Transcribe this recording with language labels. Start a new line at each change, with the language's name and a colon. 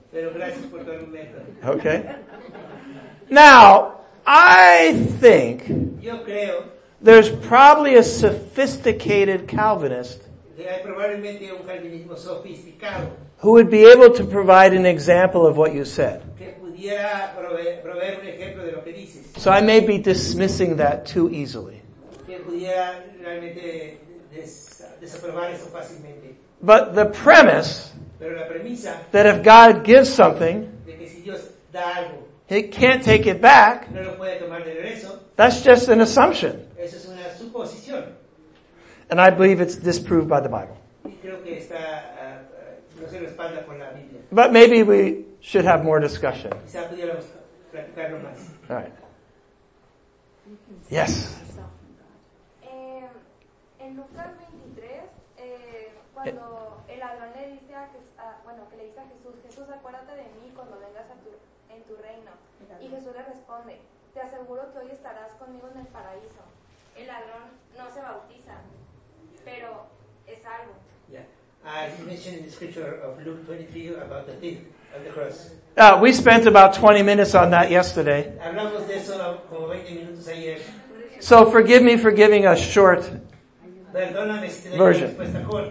Spanish: Pero gracias por tu argumento.
English: Okay. Now, I think
Spanish: yo creo
English: there's probably a sophisticated Calvinist
Spanish: que hay probablemente un calvinismo sofisticado
English: who would be able to provide an example of what you said.
Spanish: Que pudiera proveer un ejemplo de lo que dices.
English: So I may be dismissing that too easily.
Spanish: Que pudiera realmente desaprobar eso fácilmente.
English: But the premise
Spanish: pero la premisa,
English: that if God gives something,
Spanish: de que si Dios da algo,
English: He can't take it back,
Spanish: no lo puede tomar de regreso,
English: that's just an assumption.
Spanish: Eso es una suposición.
English: And I believe it's disproved by the Bible.
Spanish: Creo que está, no se respalda por la Biblia.
English: But maybe we should have more discussion.
Spanish: Quizá pudiéramos platicarlo más.
English: All right. Yes.
Spanish: Cuando el ladrón le dice a Jesús, Jesús, acuérdate de mí cuando en tu reino. Y Jesús le responde, te aseguro que hoy estarás conmigo en el paraíso. El ladrón no se bautiza, pero es salvo.
English: Yeah. I mentioned in the scripture of Luke 23 about the thief on the cross. We spent about 20 minutes on that yesterday.
Spanish: Hablamos de eso como 20 minutos ayer.
English: So forgive me for giving a short version.